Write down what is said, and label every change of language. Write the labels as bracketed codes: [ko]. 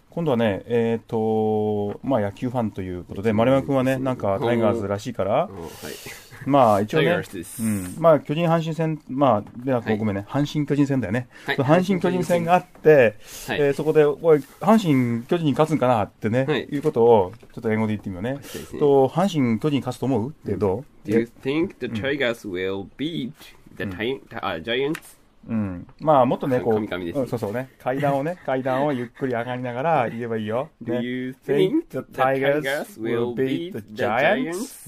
[ja] 今度はね、まあ野球ファンということで、丸山くんはね、なんかタイガースらしいから、まあ一応ね、まあ巨人阪神戦、まあ、ではこう、ごめんね、阪神巨人戦だよね。阪神巨人戦があって、そこで、おい、阪神巨人に勝つんかなってね、いうことを、ちょっと英語で言ってみようね。と、阪神巨人に勝つと思うってどう [en] ?Do you think the Tigers will beat the Giants? [ja] うん、まあもっとねこう、そうそうね、階段をね、階段をゆっくり上がりながら言えばいいよ。 [en] Do you think the Tigers will beat the Giants?